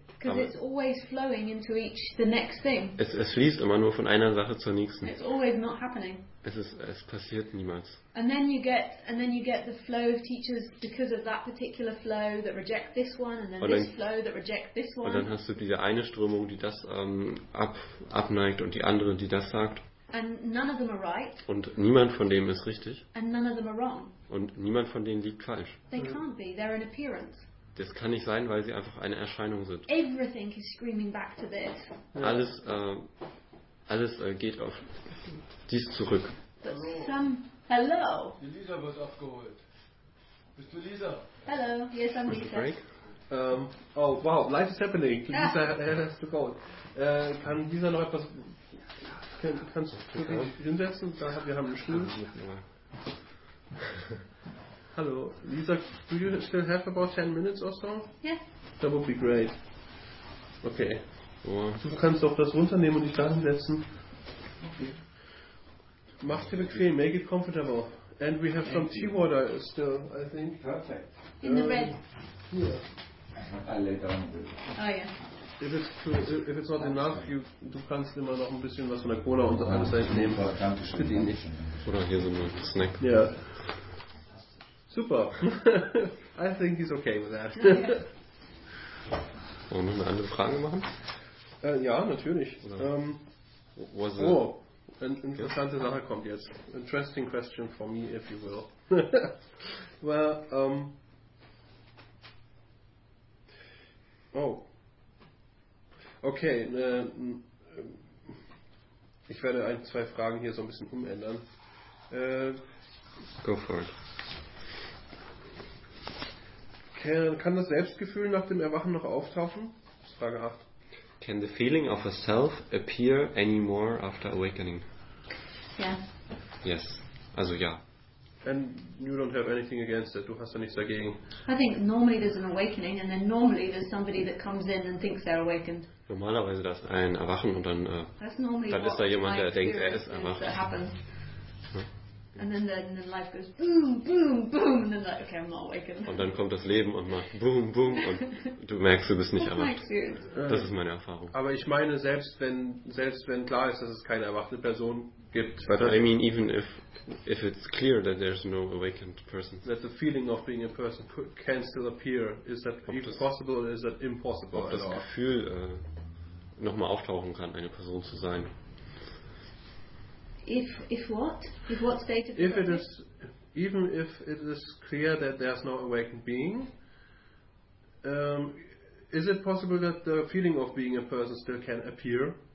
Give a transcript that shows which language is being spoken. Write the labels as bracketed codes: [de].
[en] Because it's always flowing into each the next thing. [de] Es fließt immer nur von einer Sache zur nächsten. [en] It's always not happening. [de] Es passiert niemals. [en] And then you get the flow of teachers because of that particular flow that reject this one and then [de] und dann, [en] this flow that reject this one. [de] Und dann hast du diese eine Strömung, die das abneigt und die andere, die das sagt. [en] And none of them are right. [de] Und niemand von dem ist richtig. [en] And none of them are wrong. [de] Und niemand von denen liegt falsch. [en] They can't be. They're an appearance. [de] Das kann nicht sein, weil sie einfach eine Erscheinung sind. [en] Everything is screaming back to this. [de] Alles geht auf dies zurück. [en] Hello. [de] Die Lisa wird abgeholt. Bist du Lisa? [en] Hello, yes, I'm Lisa. Break? Oh, wow, life is happening. Lisa has to go. [de] Kann Lisa noch etwas... Kannst du hinsetzen? Wir haben einen Stuhl. [en] Hallo, Lisa, do you still have about 10 minutes or so? Yes. That would be great. Okay. [de] Du kannst auch das runternehmen und dich da hinsetzen. Okay. Mach dir bequem, [en] make it comfortable. And we have some tea water still, I think. Perfect. In the red. Yeah. I lay down. Oh, yeah. If it's not enough, [de] du kannst immer noch ein bisschen was von der Cola und alles nehmen. Für die nicht. Oder hier so ein Snack. [en] Ja. Yeah. Super. I think he's okay with that. [de] Wollen wir noch eine andere Frage machen? Ja, natürlich. Interessante Sache kommt jetzt. [en] Interesting question for me, if you will. Well, okay. [de] Ich werde ein, zwei Fragen hier so ein bisschen umändern. [en] Go for it. [de] Kann das Selbstgefühl nach dem Erwachen noch auftauchen? Frage 8. [en] Can the feeling of a self appear anymore after awakening? Yes. [de] Yes. Also ja. [en] And you don't have anything against it. [de] Du hast ja nichts dagegen. [en] I think normally there's an awakening and then normally there's somebody that comes in and thinks they're awakened. [de] Normalerweise das ein Erwachen und dann dann ist da jemand, der denkt, er ist erwacht. [en] And then life goes boom, boom, boom, and then like, okay, I'm not awakened. [de] Und dann kommt das Leben und macht boom, boom, und du merkst, du bist nicht erwacht. Das ist meine Erfahrung. Aber ich meine, selbst wenn klar ist, dass es keine erwachte Person gibt. [en] But I mean, even if it's clear that there's no awakened person. That the feeling of being a person can still appear. Is that even possible or is that impossible? Ob das Gefühl nochmal auftauchen kann, eine Person zu sein. If what state of if it is, even if it is clear that there's no awakened being, is it possible that the feeling of being a person still can appear?